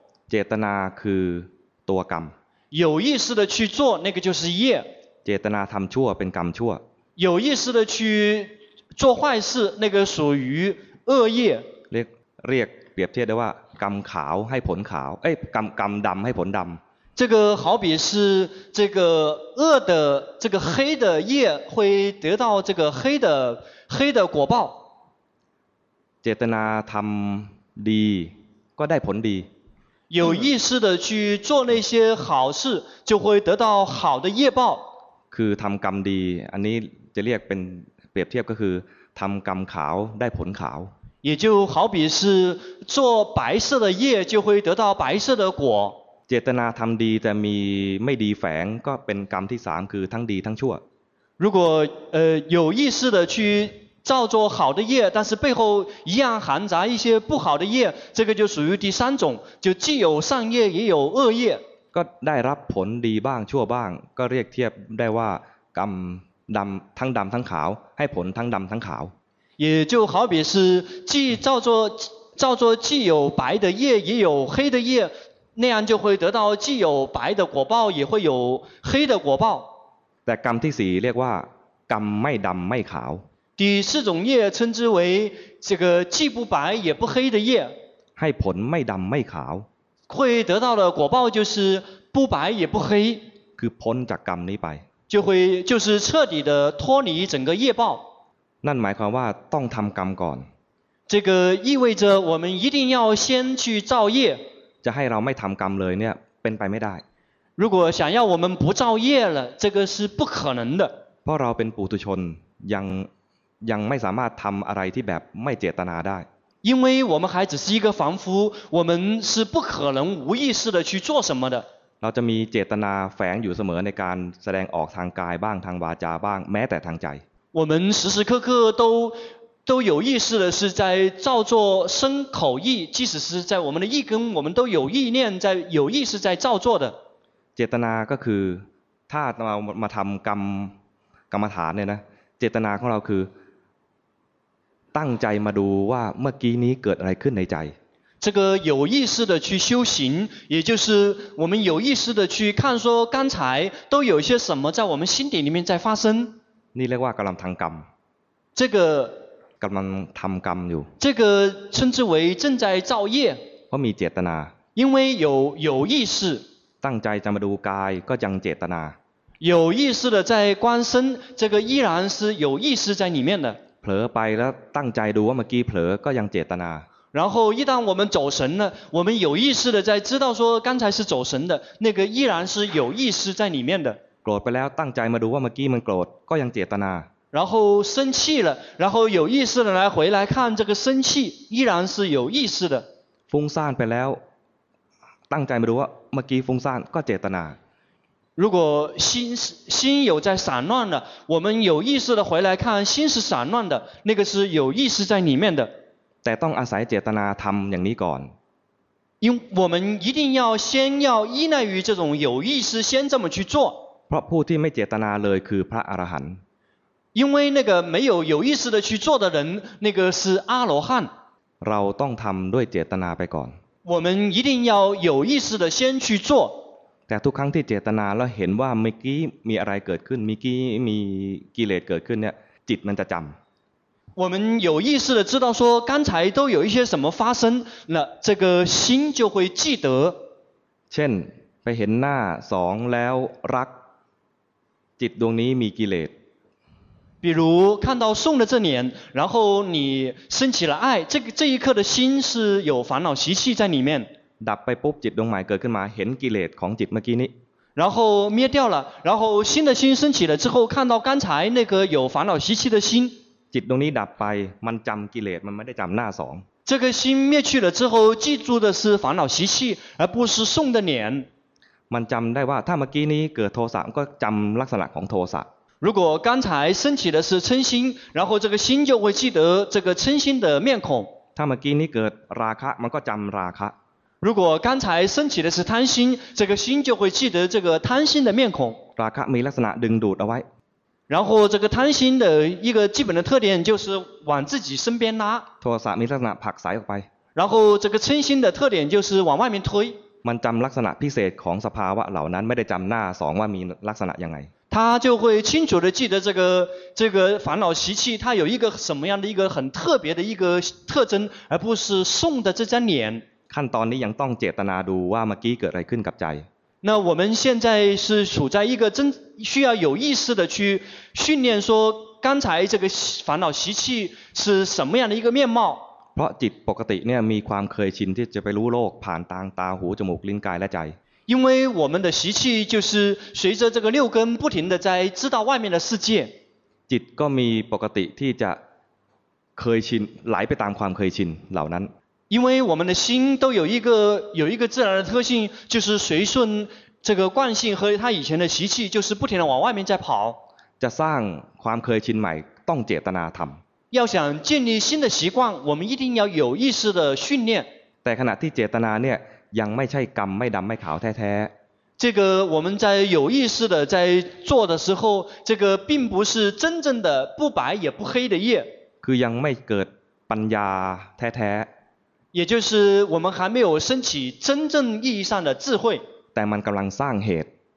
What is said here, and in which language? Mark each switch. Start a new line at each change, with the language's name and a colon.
Thai: เจตนาคือตัวกรรม
Chinese: 有意识的去做那个就是业
Thai: เจตนาทำชั่วเป็นกรรมชั่ว
Chinese: 有意识的去做坏事那个属于恶业
Thai: เรียกเปรียบเทียบได้ว่ากรรมขาวให้ผลขาวเอ้ยกรรมดำให้ผลดำ
Chinese: 这个好比是这个恶的这个黑的业会得到这个黑的果报
Thai: เจตนาทำดีก็ได้ผลดี
Chinese: 有意识的去做那些好事就会得到好的业报
Thai: คือทำกรรมดีอันนี้จะเรียกเป็นเปรียบเทียบก็คือทำกรรมขาวได้ผลขาว
Chinese: 也就好比是做白色的业就会得到白色的果
Thai: เจตนาทำดีแต่มีไม่ดีแฝงก็เป็นกรรมที่3คือทั้งดีทั้งชั่ว
Chinese: 如果有意识的去造作好的业但是背后一样含杂一些不好的业这个就属于第三种就既有善业也有恶业
Thai: ก็ได้รับผลดีบ้างชั่วบ้างก็เรียกเทียบได้ว่ากรรมดำทั้งดำทั้งขาวให้ผลทั้งดำทั้งขาว
Chinese: 也就好比是既造作既有白的业也有黑的业那样就会得到既有白的果报也会有黑的果报
Thai: แต่กรรมที่สี่เรียกว่ากรรมไม่ดำไม่ขาว
Chinese: 第四种业称之为这个既不白也不黑的业
Thai: ให้ผลไม่ดำไม่ขาว
Chinese: 会得到的果报就是不白也不黑
Thai: คือพ้นจากกรรมนี้ไป
Chinese: 就是彻底的脱离整个业报
Thai: นั่นหมายความว่าต้องทำกรรมก่อน
Chinese: 这个意味着我们一定要先去造业
Thai: จะให้เราไม่ทำกรรมเลยเนี่ยเป็นไปไม่ได้
Chinese: 如果想要我们不造业了这个是不可能的
Thai: เพราะเราเป็นปุถุชนยังไม่สามารถทำอะไรที่แบบไม่เจตนาได้
Chinese: 因为我们还只是一个凡夫我们是不可能无意识的去做什么的
Thai: เราจะมีเจตนาแฝงอยู่เสมอในการแสดงออกทางกายบ้างทางวาจาบ้างแม้แต่ทางใจ
Chinese: 我们时时刻刻都有意识的是在造作身口意即使是在我们的意根我们都有意念在有意识在造作的
Thai: เจตนาก็คือถ้ามาทำกรรมฐานเนี่ยนะเจตนาของเราคือตั้งใจมาดูว่าเมื่อกี้นี้เกิดอะไรขึ้นในใจ
Chinese: 这个有意识的去修行也就是我们有意识的去看说刚才都有些什么在我们心底里面在发生
Thai: นี่เรียกว่ากำลังทำกรรม
Chinese: 这个
Thai: กำลังทำกรรมอยู่
Chinese: 这个称之为正在造业
Thai: เพราะมีเจตนา
Chinese: 因为有意识
Thai: ตั้งใจจะมาดูกายก็ยังเจตนา
Chinese: 有意识的在观身这个依然是有意识在里面的
Thai: เผลอไปแล้วตั้งใจดูว่าเมื่อกี้เผลอก็ยังเจตนา
Chinese: 然后一旦我们走神了我们有意识的在知道说刚才是走神的那个依然是有意识在里面的
Thai: โกรธไปแล้วตั้งใจมาดูว่าเมื่อกี้มันโกรธก็ยังเจตนา
Chinese: 然后生气了然后有意识的来回来看这个生气依然是有意识的
Thai: ฟุ้งซ่านไปแล้วตั้งใจมาดูว่าเมื่อกี้ฟุ้งซ่านก็เจตนา
Chinese: 如果心有在散乱了我们有意识的回来看心是散乱的那个是有意识在里面的
Thai: แต่ต้องอาศัยเจตนาทำอย่างนี้ก่อน
Chinese: 因我们一定要先要依赖于这种有意识先这么去做
Thai: พราะผู้ที่ไม่เจตนาเลยคือพระอรหันต์
Chinese: 因为那个没有有意识的去做的人那个是阿罗汉
Thai: เราต้องทำด้วยเจตนาไปก่อน
Chinese: 我们一定要有意识的先去做
Thai: แต่ทุกครั้งที่เจตนาแล้วเห็นว่าเมื่อกี้มีอะไรเกิดขึ้นเมื่อกี้มีกิเลสเกิดขึ้นเนี่ยจิตมันจะจำ
Chinese: 我们有意识的知道说刚才都有一些什么发生那这个心就会记得
Thai: เช่นไปเห็นหน้าสองแล้วรักจิตดวงนี้มีกิเลส
Chinese: 比如看到送的这脸然后你升起了爱这一刻的心是有烦恼习气在里面
Thai: ดับไปปุ๊บจิตดวงใหม่เกิดขึ้นมาเห็นกิเลสของจิตเมื่อกี้นี้
Chinese: 然后灭掉了然后新的心升起了之后看到刚才那个有烦恼习气的心
Thai: จิตดวงนี้ดับไปมันจำกิเลสมันไม่ได้จำหน้าสอง
Chinese: 这个心灭去了之后记住的是烦恼习气而不是送的脸
Thai: มันจำได้ว่าถ้าเมื่อกี้นี้เกิดโทสะก็จำลักษณะของโทสะ
Chinese: 如果刚才升起的是嗔心然后这个心就会记得这个嗔心的面孔
Thai: ถ้าเมื่อกี้นี้เกิดราคะมันก็จำราคะ
Chinese: 如果刚才升起的是贪心这个心就会记得这个贪心的面孔
Thai: ราคะมีลักษณะดึงดูดเอาไว้
Chinese: 然后这个贪心的一个基本的特点就是往自己身边拉
Thai: โทสะมีลักษณะผลักสายออกไป
Chinese: 然后这个嗔心的特点就是往外面推
Thai: มันจำลักษณะพิเศษของสภาวะเหล่านั้นไม่ได้จำหน้าสองว่ามีลักษณะยังไง
Chinese: 他就会清楚地记得这个烦恼习气它有一个什么样的一个很特别的一个特征而不是送的这张脸
Thai: ขั้นตอนนี้ยังต้องเจตนาดูว่าเมื่อกี้เกิดอะไรขึ้นกับใจ
Chinese: 那我们现在是处在一个真需要有意识的去训练说刚才这个烦恼习气是什么样的一个面貌
Thai: เพราะจิตปกติเนี่ยมีความเคยชินที่จะไปรู้โลกผ่านทางตาหูจมูกลิ้นกายและใจ
Chinese: 因为我们的习气就是随着这个六根不停的在知道外面的世界
Thai: จิตก็มีปกติที่จะเคยชินไหลไปตามความเคยชินเหล่านั้น
Chinese: 因为我们的心都有一个自然的特性就是随顺这个惯性和它以前的习气就是不停的往外面在跑
Thai: จะสร้างความเคยชินใหม่ต้องเจตนาทำ
Chinese: 要想建立新的习惯我们一定要有意识的训练
Thai: แต่ขณะที่เจตนาเนี่ยยังไม่ใช่กรรมไม่ดำไม่ขาวแท้
Chinese: ๆ这个我们在有意识的在做的时候这个并不是真正的不白也不黑的业
Thai: คือยังไม่เกิดปัญญาแท้
Chinese: ๆ也就是我们还没有升起真正意义上的智慧
Thai: แต่มันกำลังสร้างเหตุ